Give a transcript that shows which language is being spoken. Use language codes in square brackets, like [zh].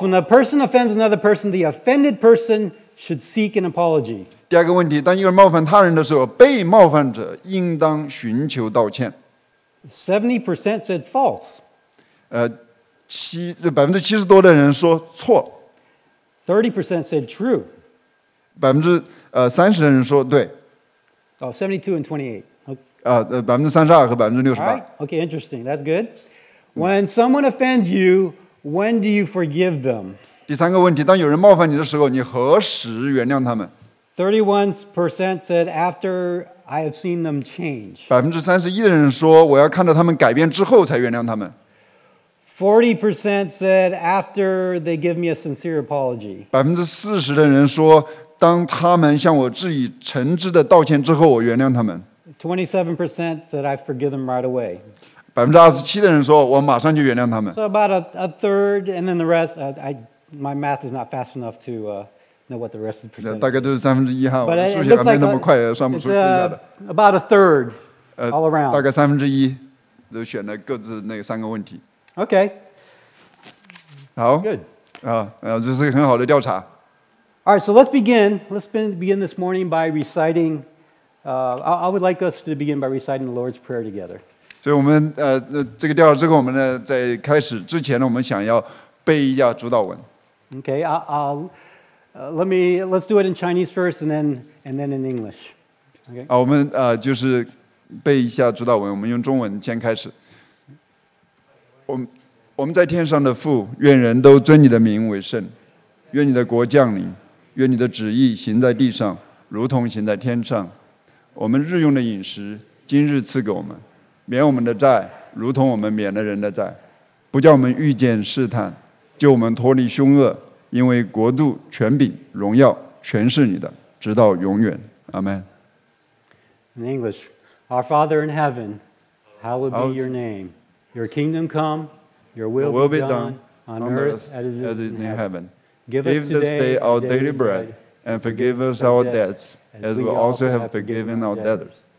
[en] When a person offends another person, the offended person should seek an apology. [zh] 第二个问题，当一个人冒犯他人的时候，被冒犯者应当寻求道歉。 [en] 70% said false. [zh] 70% 多的人说错。 [en] 30% said true. [zh] 30% 的人说对。 [en] 32% and 28%. Right. Okay, interesting. That's good. When someone offends you, when do you forgive them? [zh] 第三个问题，当有人冒犯你的时候，你何时原谅他们？ [en] 31% said after I have seen them change. [zh] 31% 的人说我要看到他们改变之后才原谅他们。 [en] 40% said after they give me a sincere apology. [zh] 40% 的人说当他们向我致以诚挚的道歉之后，我原谅他们。 [en] 27% said I forgive them right away. [zh] 27%的人说我马上就原谅他们。 [en] So about a third, and then the rest. My math is not fast enough to know what the rest of the percentage. [zh] 大概就是三分之一哈，我的数学还没那么快，算不出剩下的。 [en] About a third, all around. [zh] 大概三分之一，都选了各自那三个问题。 [en] Okay. [zh] 好。 [en] Good. [zh] 这是很好的调查。 [en] All right, so let's begin. Let's begin this morning by reciting. I would like us to begin by reciting the Lord's Prayer together. [zh] So, 我们这个调查之后，我们呢在开始之前呢，我们想要背一下主导文。 [en] Okay, let's do it in Chinese first, and then in English. Okay. [zh] 我们就是背一下主导文，我们用中文先开始。我们在天上的父，愿人都尊你的名为圣，愿你的国降临。愿你的旨意行在地上，如同行在天上。我们日用的饮食，今日赐给我们，免我们的债，如同我们免了人的债。不叫我们遇见试探，救我们脱离凶恶。因为国度、权柄、荣耀，全是你的，直到永远。阿门。 [en] In English, Our Father in heaven, hallowed be your name. Your kingdom come, your will be done on earth as it is in heaven. Give us today our daily bread, and forgive us our debts, as we also have forgiven our debtors.